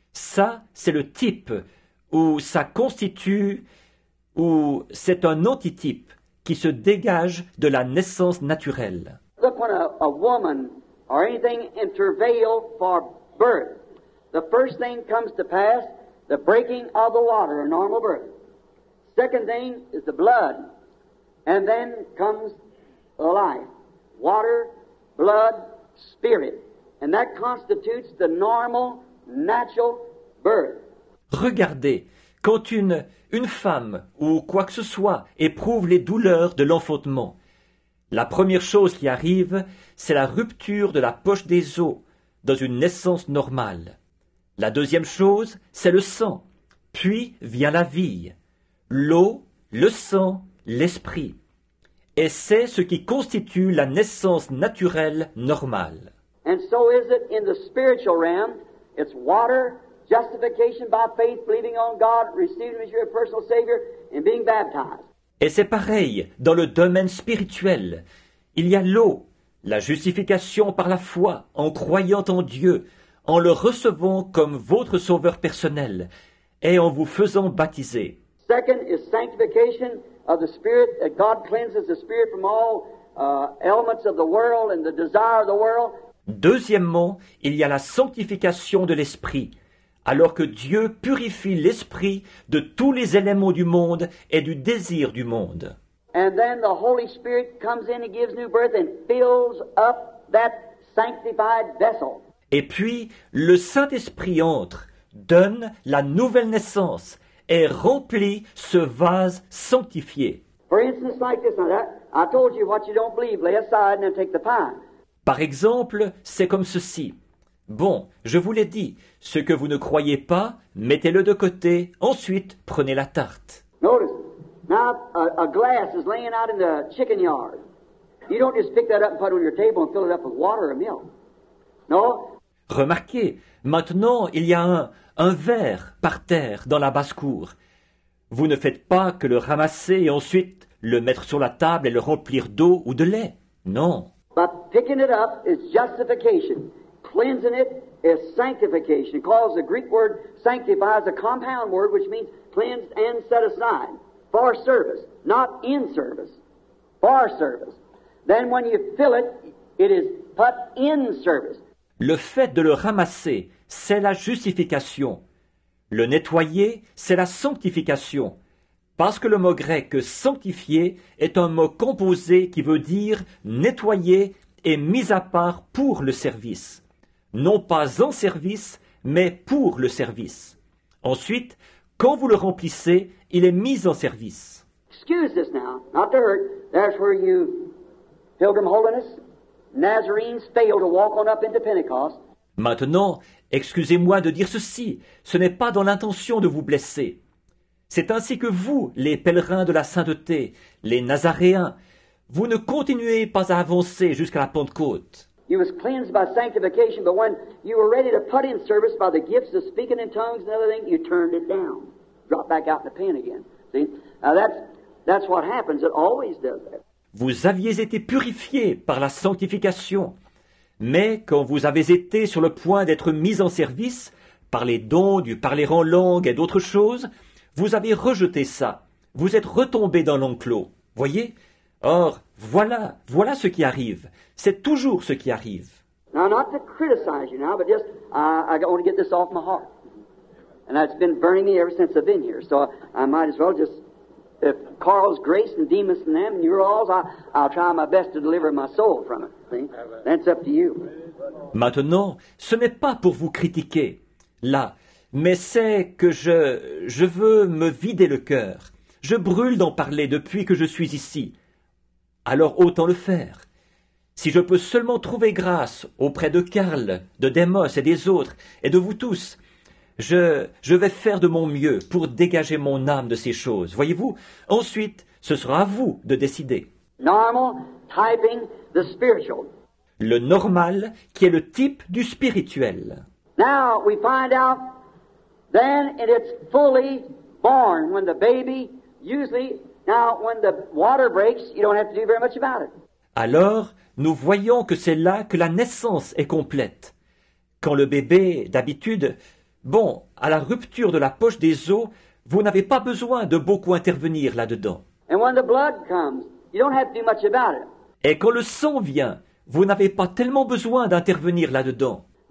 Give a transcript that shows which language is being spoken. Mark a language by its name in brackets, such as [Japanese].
[French] Ça, c'est le type où ça constitue, où c'est un antitype qui se dégage de la naissance naturelle. [English] Look when a woman or anything in travail for birth, the first thing comes to pass, the breaking of the water, a normal birth. Second thing is the blood, and then comes the life. Water, blood, spirit, and that constitutes the normal, natural birth. [French] Regardez, quand une femme ou quoi que ce soit éprouve les douleurs de l'enfantement, la première chose qui arrive, c'est la rupture de la poche des os dans une naissance normale. La deuxième chose, c'est le sang. Puis vient la vie, l'eau, le sang, l'esprit. Et c'est ce qui constitue la naissance naturelle normale. [English] And so is it in the spiritual realm, it's water, justification by faith, believing on God, receiving Him as your personal Savior, and being baptized. [French] Et c'est pareil dans le domaine spirituel. Il y a l'eau, la justification par la foi, en croyant en Dieu, en le recevant comme votre sauveur personnel, et en vous faisant baptiser. [English] Second is sanctification of the Spirit, that God cleanses the Spirit from all elements of the world and the desire of the world. [French] Deuxièmement, il y a la sanctification de l'Esprit, alors que Dieu purifie l'esprit de tous les éléments du monde et du désir du monde. [English] And then the Holy Spirit comes in and gives new birth and fills up that sanctified vessel. [French] Et puis le Saint-Esprit entre, donne la nouvelle naissance et remplit ce vase sanctifié. [English] For instance, like this, I told you what you don't believe, lay aside and take the pine. [French] Par exemple, c'est comme ceci. Bon, je vous l'ai dit, ce que vous ne croyez pas, mettez-le de côté, ensuite prenez la tarte. [English] Notice, now a glass is laying out in the chicken yard. You don't just pick that up and put it on your table and fill it up with water or milk. No? [French] Remarquez, maintenant il y a un verre par terre dans la basse-cour. Vous ne faites pas que le ramasser et ensuite le mettre sur la table et le remplir d'eau ou de lait. Non. [English] But picking it up is justification. Cleansing it is sanctification. Because the Greek word sanctify is a compound word which means cleansed and set aside for service, not in service, for service. Then when you fill it, it is put in service. [French] Le fait de le ramasser, c'est la justification. Le nettoyer, c'est la sanctification. Parce que le mot grec « sanctifier » est un mot composé qui veut dire « nettoyer » et « mis à part pour le service ». Non pas en service, mais pour le service. Ensuite, quand vous le remplissez, il est mis en service. [English] Excuse this now, not to hurt. That's where you, Pilgrim Holiness, Nazarenes fail to walk on up into Pentecost. [French] Maintenant, excusez-moi de dire ceci, ce n'est pas dans l'intention de vous blesser. C'est ainsi que vous, les pèlerins de la sainteté, les Nazaréens, vous ne continuez pas à avancer jusqu'à la Pentecôte. [English] You were cleansed by sanctification, but when you were ready to put in service by the gifts of speaking in tongues and other things, you turned it down, dropped back out in the pen again. See, now that's what happens. It always does that. [French] Vous aviez été purifiés par la sanctification. Mais quand vous avez été sur le point d'être mis en service par les dons du parler en langue et d'autres choses, vous avez rejeté ça. Vous êtes retombé dans l'enclos. Voyez? Or, voilà ce qui arrive. C'est toujours ce qui arrive. [English] Now, not to criticize you now, but just I want to get this off my heart. And it's been burning me ever since I've been here. So I might as well just, if Carl's grace and Demas and them and you're all's, I'll try my best to deliver my soul from it. That's up to you. [French] Maintenant, ce n'est pas pour vous critiquer, là, mais c'est que je veux me vider le cœur. Je brûle d'en parler depuis que je suis ici. Alors autant le faire. Si je peux seulement trouver grâce auprès de Karl, de Demos et des autres, et de vous tous, je vais faire de mon mieux pour dégager mon âme de ces choses. Voyez-vous, ensuite, ce sera à vous de décider. [English] Normal typing. The spiritual. [French] Le normal qui est le type du spirituel. [English] Now we find out then it is fully born when the baby usually now when the water breaks you don't have to do very much about it. [French] Alors nous voyons que c'est là que la naissance est complète. Quand le bébé d'habitude bon à la rupture de la poche des os vous n'avez pas besoin de beaucoup intervenir là-dedans. [English] And when the blood comes you don't have to do much about it. [French] Et quand le sang vient, vous n'avez pas tellement besoin d'intervenir là-dedans.